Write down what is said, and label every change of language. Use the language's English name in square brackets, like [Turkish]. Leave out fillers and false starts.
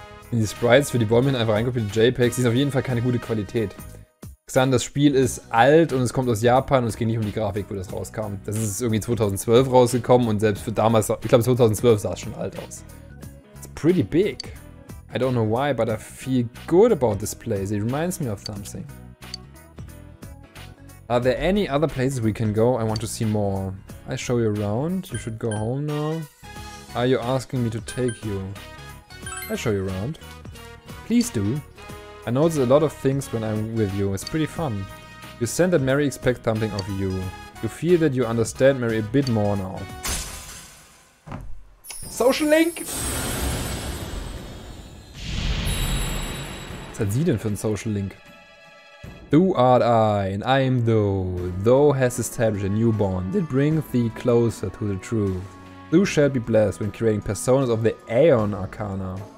[German] In die Sprites für die Bäume hin einfach reingekopiert, die JPEGs, die sind auf jeden Fall keine gute Qualität. Xan, das Spiel ist alt und es kommt aus Japan und es ging nicht um die Grafik, wo das rauskam. Das ist irgendwie 2012 rausgekommen und selbst für damals, ich glaube 2012 sah es schon alt aus. [English] It's pretty big. I don't know why, but I feel good about this place. It reminds me of something. Are there any other places we can go? I want to see more. I show you around. You should go home now. Are you asking me to take you? I show you around. Please do. I notice a lot of things when I'm with you. It's pretty fun. You sense that Mary expects something of you. You feel that you understand Mary a bit more now. Social Link! [German] Was hat sie denn für einen Social Link? [English] Thou art I, and I am thou. Thou hast established a new bond that brings thee closer to the truth. Thou shalt be blessed when creating personas of the Aeon Arcana.